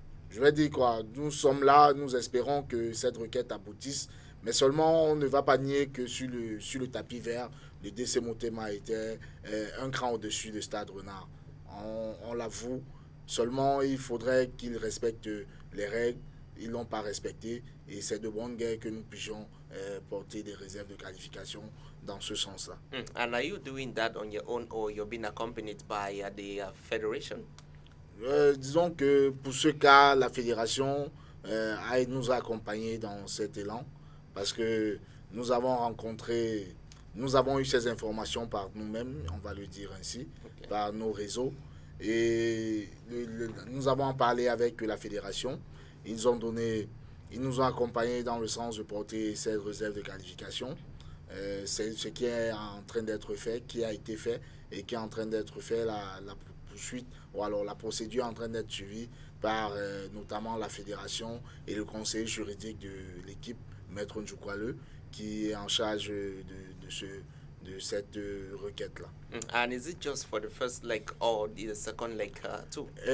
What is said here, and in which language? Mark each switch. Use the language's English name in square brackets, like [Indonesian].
[French] Je vais dire quoi, nous sommes là, nous espérons que cette requête aboutisse, mais seulement on ne va pas nier que sur le tapis vert, le DC Motema était un cran au-dessus de Stade Renard. On l'avoue, seulement il faudrait qu'ils respectent les règles, ils ne l'ont pas respecté, et c'est de bonne guerre que nous puissions porter des réserves de qualification dans ce sens-là. [English] And are you doing that on your own or you've been accompanied by the federation? [French] Disons que pour ce cas, la fédération nous a accompagnés dans cet élan parce que nous avons eu ces informations par nous-mêmes, on va le dire ainsi, okay. Par nos réseaux. Et nous avons parlé avec la fédération. Ils nous ont accompagnés dans le sens de porter cette réserve de qualification. C'est ce qui est en train d'être fait, qui a été fait et qui est en train d'être fait la poursuite. Ou alors la procédure est en train d'être suivie par notamment la fédération et le conseil juridique de l'équipe Maître Ndjoukwale qui est en charge de cette requête-là. [English] And is it just for the first leg or the second leg too?